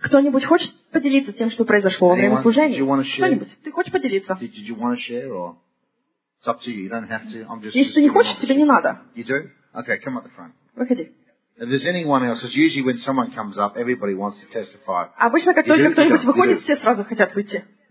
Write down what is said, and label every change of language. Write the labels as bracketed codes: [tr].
[ru] Кто-нибудь хочет поделиться тем, что произошло во время служения? Кто-нибудь, ты хочешь поделиться? [en] Did you want to share, or it's up to you? You don't have to. I'm just. [ru] Если ты не хочешь, тебе не надо. [en] You do? Okay, come up the front. [ru] Выходи. [en] If there's anyone else, it's usually when someone comes up, everybody wants to testify. [ru] Обычно, как только кто-нибудь выходит, все сразу хотят выйти.